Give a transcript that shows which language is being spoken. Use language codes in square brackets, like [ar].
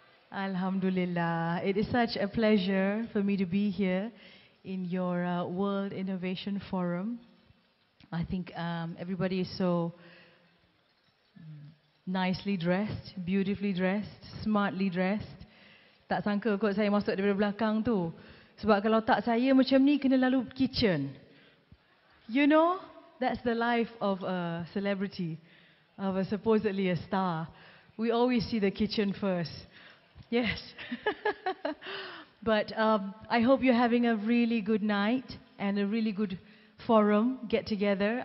[en] Alhamdulillah. It is such a pleasure for me to be here in your World Innovation Forum. I think everybody is so nicely dressed, beautifully dressed, smartly dressed. [ms] Tak sangka kot saya masuk daripada belakang tu. Sebab kalau tak saya macam ni, kena lalu kitchen. [en] You know, that's the life of a celebrity, of a supposedly a star. We always see the kitchen first. Yes. But I hope you're having a really good night and a really good forum, get together.